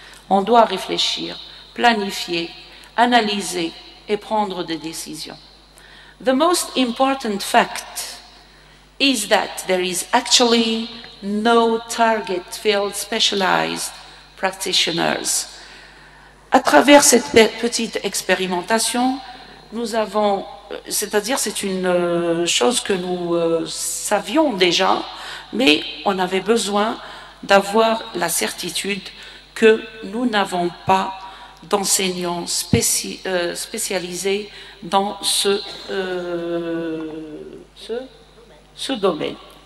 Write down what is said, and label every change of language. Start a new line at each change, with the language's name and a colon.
French: On doit réfléchir, planifier, analyser et prendre des décisions.
English: The most important fact is that there is actually no target field specialized practitioners.
French: À travers cette petite expérimentation, nous avons, c'est-à-dire c'est une chose que nous savions déjà, mais on avait besoin d'avoir la certitude que nous n'avons pas d'enseignants spécialisés dans ce domaine.